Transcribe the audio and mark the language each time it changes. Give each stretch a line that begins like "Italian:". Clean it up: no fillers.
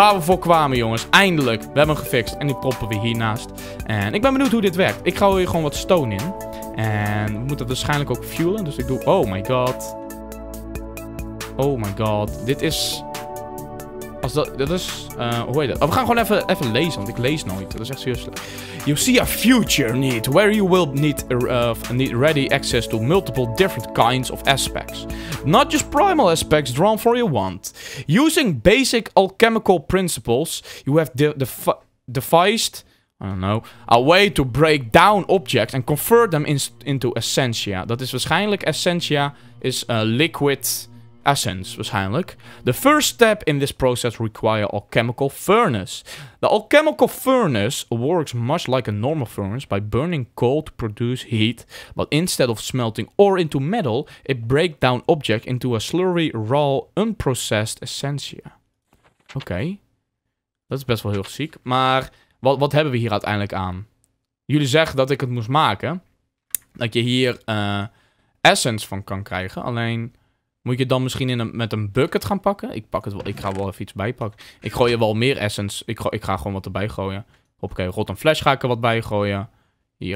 Dutch: Waar we voor kwamen, jongens. Eindelijk. We hebben hem gefixt. En die proppen we hiernaast. En ik ben benieuwd hoe dit werkt. Ik gooi hier gewoon wat stone in. En we moeten het waarschijnlijk ook fuelen. Dus ik doe...
English: Oh my god. Oh my god.
Dutch: Dit is... Als dat is... hoe heet dat? Oh, we gaan gewoon even lezen, want ik lees nooit. Dat is echt serieus.
English: You see a future need where you will need ready access to multiple different kinds of aspects. Not just primal aspects drawn for your want. Using basic alchemical principles, you have devised... I don't know. A way to break down objects and convert them into essentia.
Dutch: Dat is waarschijnlijk essentia
English: is liquid...
Dutch: essence, waarschijnlijk.
English: The first step in this process requires alchemical furnace. The alchemical furnace works much like a normal furnace by burning coal to produce heat, but instead of smelting ore into metal, it breaks down object into a slurry, raw, unprocessed essentia. Okay.
Dutch: Dat is best wel heel ziek, maar wat hebben we hier uiteindelijk aan? Jullie zeggen dat ik het moest maken, dat je hier essence van kan krijgen, alleen... Moet je dan misschien met een bucket gaan pakken? Ik pak het wel. Ik ga wel even iets bijpakken. Ik gooi er wel meer essence. Ik ga gewoon wat erbij gooien. Hoppakee, rot en flash ga ik er wat bij gooien. Hier.